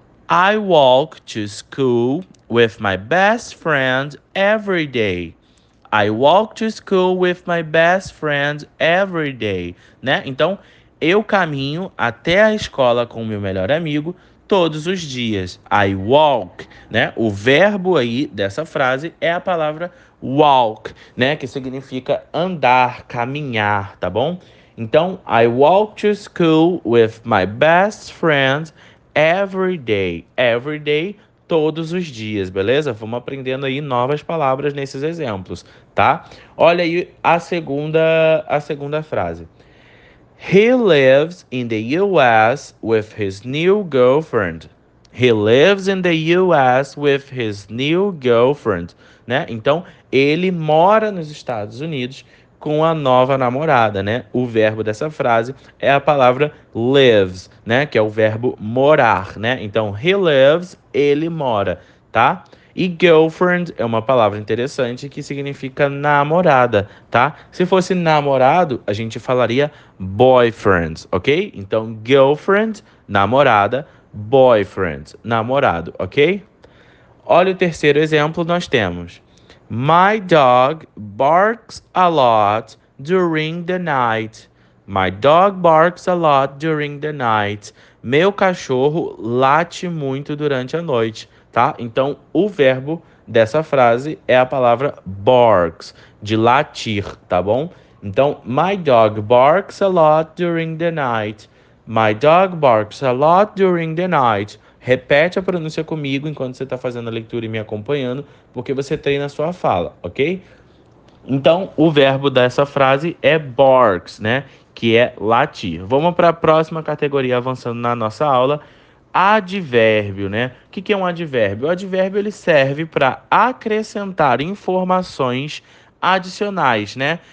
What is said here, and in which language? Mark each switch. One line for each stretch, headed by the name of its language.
English: I walk to school with my best friend every day. I walk to school with my best friend every day, né?
Portuguese: Então, eu caminho até a escola com o meu melhor amigo todos os dias.
English: I walk,
Portuguese: né? O verbo aí dessa frase é a palavra walk, né? Que significa andar, caminhar, tá bom? Então,
English: I walk to school with my best friend every day. Every day,
Portuguese: todos os dias, beleza? Vamos aprendendo aí novas palavras nesses exemplos, tá? Olha aí a segunda frase.
English: He lives in the US with his new girlfriend. He lives in the US with his new girlfriend, né?
Portuguese: Então, ele mora nos Estados Unidos com a nova namorada, né? O verbo dessa frase é a palavra lives, né? Que é o verbo morar, né? Então,
English: he lives,
Portuguese: ele mora, tá? E girlfriend é uma palavra interessante que significa namorada, tá? Se fosse namorado, a gente falaria boyfriend, ok? Então, girlfriend, namorada, boyfriend, namorado, ok? Olha o terceiro exemplo, nós temos.
English: My dog barks a lot during the night. My dog barks a lot during the night.
Portuguese: Meu cachorro late muito durante a noite, tá? Então, o verbo dessa frase é a palavra barks, de latir, tá bom? Então,
English: my dog barks a lot during the night. My dog barks a lot during the night.
Portuguese: Repete a pronúncia comigo enquanto você está fazendo a leitura e me acompanhando, porque você treina a sua fala, ok? Então, o verbo dessa frase é barks, né? Que é latir. Vamos para a próxima categoria, avançando na nossa aula. Advérbio, né? O que é um advérbio? O advérbio ele serve para acrescentar informações adicionais, né?